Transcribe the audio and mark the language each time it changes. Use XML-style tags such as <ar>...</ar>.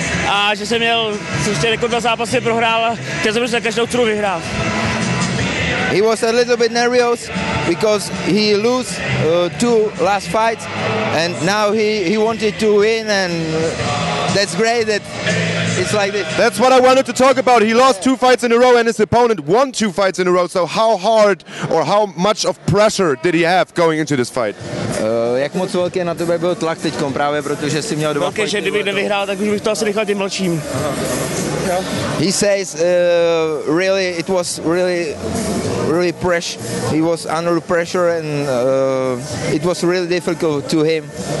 <cs>A že jsem měl, že jako dva zápasy prohrál, chtěl jsem za každou cenu vyhrát.</cs> <en>He was a little bit nervous because he lose two last fights, and now he wanted to win, and that's great that it's like this. That's what I wanted to talk about. He lost two fights in a row, and his opponent won two fights in a row. So how hard or how much of pressure did he have going into this fight?</en> <cs>Jak moc velký na tebe byl tlak teďkom právě protože si měl dva. Velké, že kdybych nevyhrál, tak už bych to asi rychle tím mlčím.</cs> <en>He says, really, it was really, really pressure. He was under pressure, and it was really difficult to him.</en>